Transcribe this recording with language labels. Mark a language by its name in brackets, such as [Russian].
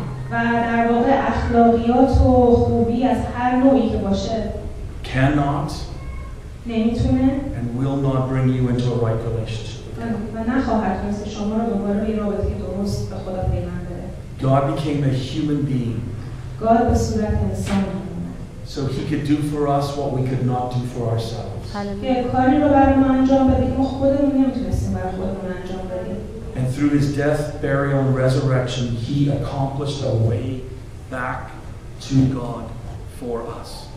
[Persian] و در واقع اخلاقیات و خوبی از هر نوعی که باشه [English] cannot [Persian] نمیتونه [English] and will not bring you into a right relationship. [Persian] و نخواهد کسی شما رو دوباره به رابطه درست با خدا پیوند بده. [English] God became a human being. [Persian] God به صورت انسان آمد. [English] So he could do for us what we could not do for ourselves. [Persian] کاری رو برای ما انجام بده که ما خودمون نمیتونستیم برای خودمون انجام بدیم. [English] And through his death, burial, and resurrection, he accomplished a way back to God for us.